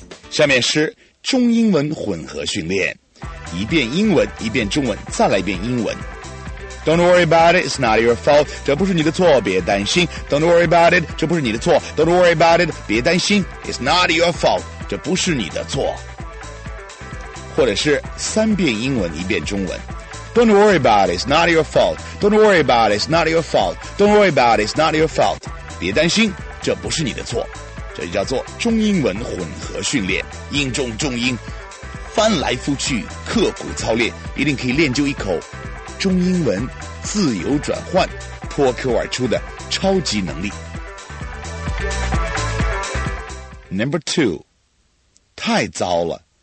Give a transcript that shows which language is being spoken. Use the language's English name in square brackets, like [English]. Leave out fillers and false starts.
[Chinese] 下面是中英文混合训练，一遍英文，一遍中文，再来一遍英文。 [English] Don't worry about it, it's not your fault. [Chinese] 这不是你的错，别担心。 [English] Don't worry about it, [Chinese] 这不是你的错。 [English] Don't worry about it, [Chinese] 别担心。 [English] It's not your fault, [Chinese] 这不是你的错。或者是三遍英文一遍中文。 [English] Don't worry about it, it's not your fault. Don't worry about it, it's not your fault. Don't worry about it, it's not your fault. [Chinese] 别担心，这不是你的错。这就叫做中英文混合训练，英中中英，翻来覆去，刻苦操练，一定可以练就一口中英文自由转换，脱口而出的超级能力。 [English] Number two， [Chinese] 太糟了。